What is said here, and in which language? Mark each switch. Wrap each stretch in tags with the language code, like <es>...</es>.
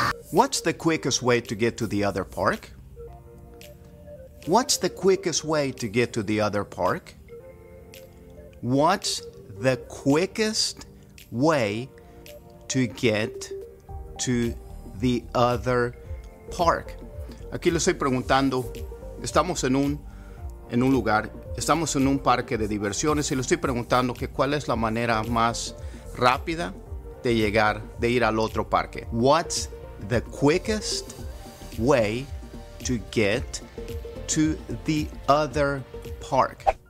<en>What's the quickest way to get to the other park? What's the quickest way to get to the other park? What's the quickest way to get to the other park?</en> <es>Aquí le estoy preguntando, estamos en un lugar, estamos en un parque de diversiones y le estoy preguntando que cuál es la manera más rápida de llegar, de ir al otro parque.</es> <en>What's the quickest way to get to the other park?</en>